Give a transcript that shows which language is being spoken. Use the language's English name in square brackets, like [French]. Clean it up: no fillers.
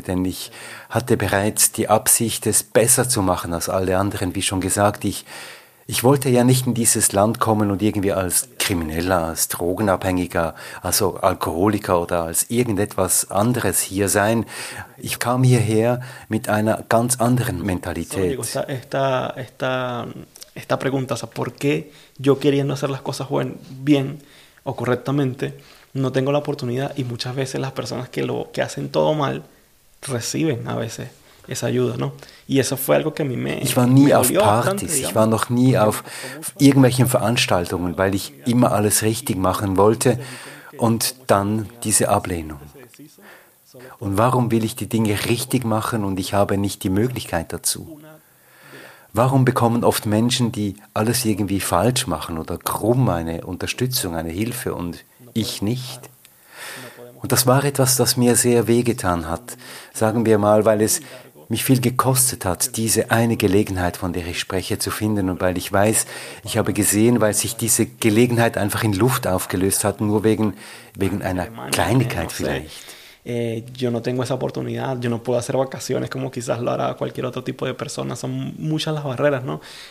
[German] Denn ich hatte bereits die Absicht, es besser zu machen als alle anderen. Wie schon gesagt, ich wollte ja nicht in dieses Land kommen und irgendwie als Krimineller, als Drogenabhängiger, also Alkoholiker oder als irgendetwas anderes hier sein. Ich kam hierher mit einer ganz anderen Mentalität. [Spanish] Esta pregunta, o sea, ¿por qué yo queriendo hacer las cosas bien o correctamente no tengo la oportunidad? Y muchas veces las personas que hacen todo mal reciben a veces esa ayuda, ¿no? Y eso fue algo que a mí me [German] Ich war nie auf Partys, [Spanish] bastante, [German] ich war noch nie auf irgendwelchen Veranstaltungen, weil ich immer alles richtig machen wollte und dann diese Ablehnung. Und warum will ich die Dinge richtig machen und ich habe nicht die Möglichkeit dazu? Warum bekommen oft Menschen, die alles irgendwie falsch machen oder krumm, eine Unterstützung, eine Hilfe und ich nicht? Und das war etwas, das mir sehr wehgetan hat, sagen wir mal, weil es mich viel gekostet hat, diese eine Gelegenheit, von der ich spreche, zu finden und weil ich weiß, ich habe gesehen, weil sich diese Gelegenheit einfach in Luft aufgelöst hat, nur wegen einer Kleinigkeit vielleicht. [Spanish] Yo no tengo esa oportunidad, yo no puedo hacer vacaciones como quizás lo hará cualquier otro tipo de persona. Son muchas las barreras, ¿no?